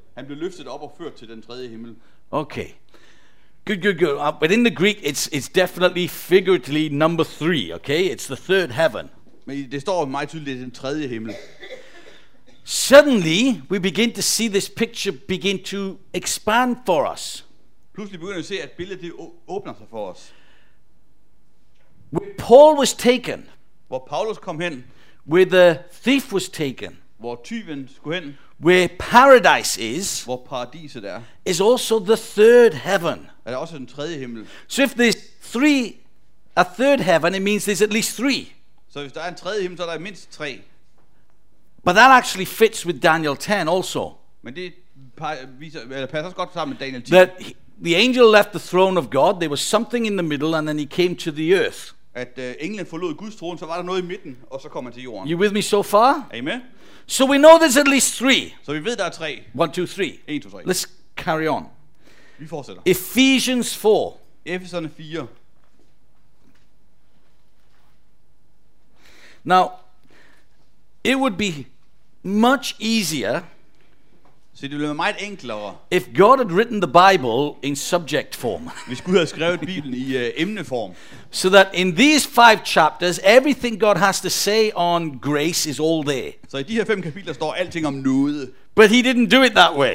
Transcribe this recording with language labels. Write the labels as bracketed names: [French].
[Danish] Han blev løftet op og ført til den tredje himmel. [English] Okay. Good. But in the Greek, it's definitely figuratively number three, okay? It's the third heaven. [Danish] Men det står meget tydeligt, det er den tredje himmel. [English] Suddenly, we begin to see this picture begin to expand for us. [Danish] Pludselig begynder vi at se, at billedet det åbner sig for os. [English] Where Paul was taken, [Danish] hvor Paulus kom hen, [English] where the thief was taken, [Danish] hvor tyven skulle hen, [English] where paradise is, [Danish] hvor paradiset er, [English] is also the third heaven. [Danish] Er det også den tredje himmel? [English] So if there's a third heaven, it means there's at least three. [Danish] Så hvis der er en tredje himmel, så er der mindst tre. [English] But that actually fits with Daniel 10 also. [Danish] Men det passer også godt sammen med Daniel 10. [English] The angel left the throne of God. There was something in the middle, and then he came to the earth. [Danish] At englen forlod Guds trone, så var der noget i midten, og så kom han til jorden. [English] You with me so far? Amen. So we know there's at least three. [Danish] So vi ved der er tre. [English] 1, 2, 3. [Danish] 1, 2, 3. [English] Let's carry on. [Danish] Vi fortsætter. [English] Ephesians 4. [Danish] Efeserne 4. [English] Now, it would be much easier. [Danish] Så det ville være meget enklere. [English] If God had written the Bible in subject form. [Danish] Hvis Gud havde skrevet Bibelen i emneform. [English] So that in these five chapters, everything God has to say on grace is all there. [Danish] Så i de her fem kapitler står alting om nåde. [English] But he didn't do it that way.